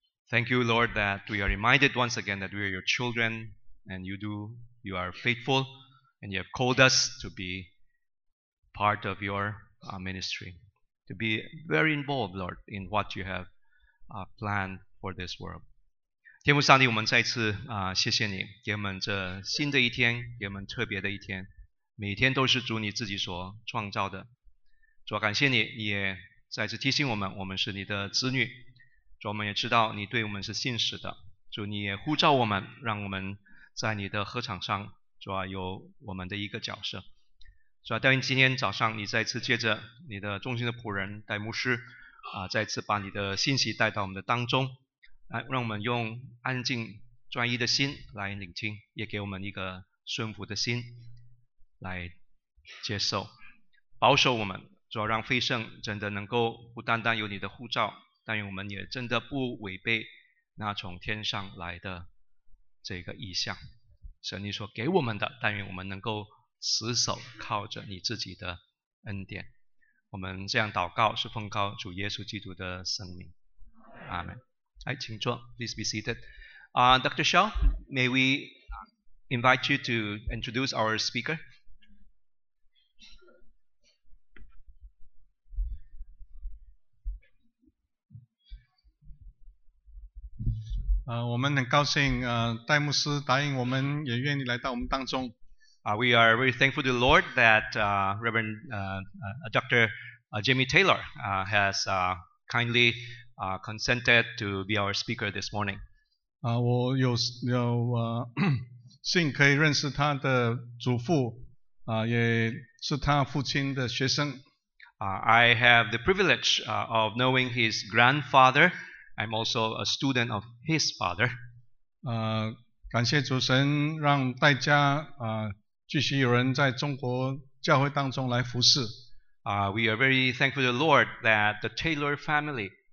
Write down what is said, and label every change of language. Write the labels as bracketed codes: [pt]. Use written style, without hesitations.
[en] Thank you, Lord, that we are reminded once again that we are your children and you are faithful and you have called us to be part of your ministry, to be very involved, Lord, in what you have planned for this world. [zh] 天父上帝，我们再次谢谢你给我们这新的一天，给我们特别的一天，每天都是主你自己所创造的。主，感谢你，你也再次提醒我们，我们是你的子女。主，我们也知道你对我们是信实的。主，你也呼召我们，让我们在你的禾场上，主啊，有我们的一个角色。主啊，但愿今天早上你再次借着你的忠心的仆人戴牧师再次把你的信息带到我们的当中，让我们用安静专一的心来聆听，也给我们一个顺服的心来接受，保守我们。主要让飞圣真的能够不单单有你的护照，但愿我们也真的不违背那从天上来的这个意象，神你所给我们的，但愿我们能够死守靠着你自己的恩典。我们这样祷告是奉靠主耶稣基督的圣名，阿们。来，请坐。 [en] Please be seated. Dr. Shaw, may we invite you to introduce our speaker? We are very thankful. [zh] 戴牧师答应我们，也愿意来到我们当中。 [en] We are very thankful to the Lord that Reverend Dr. Jamie Taylor has kindly. Consented to be our speaker this morning. [zh] 我幸可以认识他的祖父，也是他父亲的学生。 [en] I have the privilege of knowing his grandfather. I'm also a student of his father. [zh] 感谢主神让戴家继续有人在中国教会当中来服侍。 [en] We are very thankful to the Lord that the Taylor family.